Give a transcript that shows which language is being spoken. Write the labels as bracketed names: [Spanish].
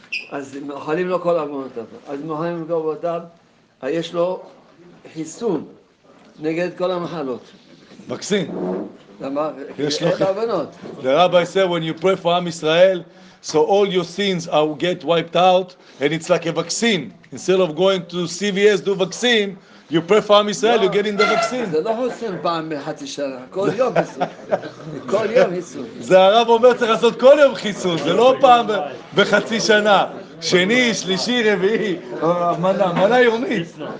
[Hebrew] אז מוחלים לו כל עוונותיו. אז מוחלים לו כל עוונותיו, יש לו חיסון נגד כל המחלות. מקסים. למה? יש לו חיסון. [English] The rabbi said, when you pray for Am Yisrael, so all your sins will get wiped out, and it's like a vaccine. Instead of going to CVS do vaccine, you pray for Am Yisrael, you're getting the vaccine. [Hebrew] זה לא חיסון פעם בחצי שנה, כל יום חיסון. כל יום חיסון. זה הרב אומר צריך לעשות כל יום חיסון, זה לא פעם בחצי שנה. שני, שלישי, רביעי, המנה, המנה יומית.